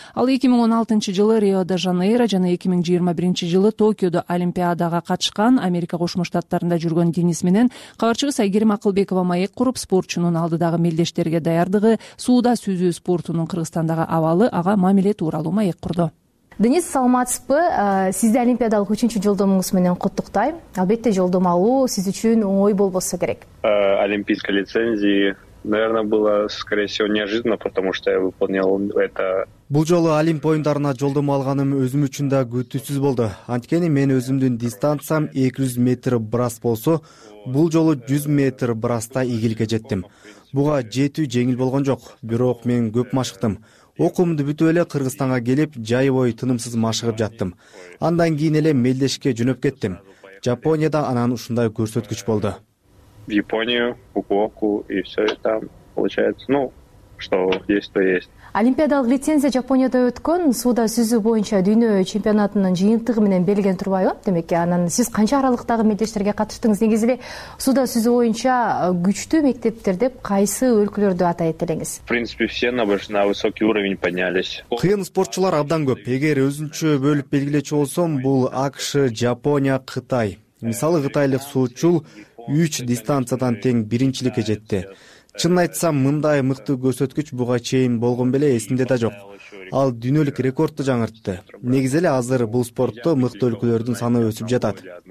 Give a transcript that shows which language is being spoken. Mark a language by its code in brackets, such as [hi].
[ky] Ал 2016 жылы Рио-де-Жанейро жана 2021 жылы Токиодо Олимпиадага катышкан, Америка Кошмо Штаттарында жүргөн Денис менен кабарчыбыз Айгерим Акылбекова маек куруп, спортчунун алдыдагы мелдештерге даярдыгы, сууда сүзүү спортунун Кыргызстандагы абалы, ага мамиле тууралуу маек курду. Денис, саламатсызбы? Сизди Олимпиадалык 3-чү жолдомуңуз менен куттуктайм. Албетте, жолдом алуу сиз үчүн оңой болбосо керек. [ru] Олимпийская лицензия, наверное, было, скорее всего, неожиданно, потому что я выполнил это. [ky] Бул жолу Олимп оюндарына жолдом алганым өзүм үчүн да күтүүсүз болду. Анткени мен өзүмдүн дистанциям 200 метр брас болсо, бул жолу 100 метр браста ийгилике жеттим. Буга жетүү жеңил болгон жок, бирок мен көп машыктым. Окуумду бүтүп эле Кыргызстанга келип, жай бою тынымсыз машыгып жаттым. Андан кийин эле мелдешке жөнөп кеттим. Жапонияда анан ушундай көрсөткүч болду. [ru] В Японию, Фукуоку и все там получается, ну, что есть, то есть. [ky] Олимпиадалык лицензия Жапонияда өткөн, сууда сүзүү боюнча дүйнө чемпионатынын жыйынтыгы менен белгилен турбайбы? Демек, анан сиз канча аралыктагы мелдештерге катыштыңыз? Негизи эле сууда сүзүү боюнча күчтүү мектептер деп кайсы өлкөлөрдү атайт элеңиз? [ru] В принципе, все на высокий уровень поднялись. [ky] Кыйын спортчулар абдан көп. Эгер өзүнчө бөлүп белгилечү болсом, бул АКШ, Жапония, Кытай. Мисалы, кытайлык суучул 3 дистанциядан тең биринчиликке жетти. Чынын айтсам, мындай мыкты көрсөткүч буга чейин болгон беле эсимде да жок. Ал дүйнөлүк рекордду жаңыртты. Негизи эле азыр бул спортто мыкты өлкөлөрдүн саны өсүп жатат.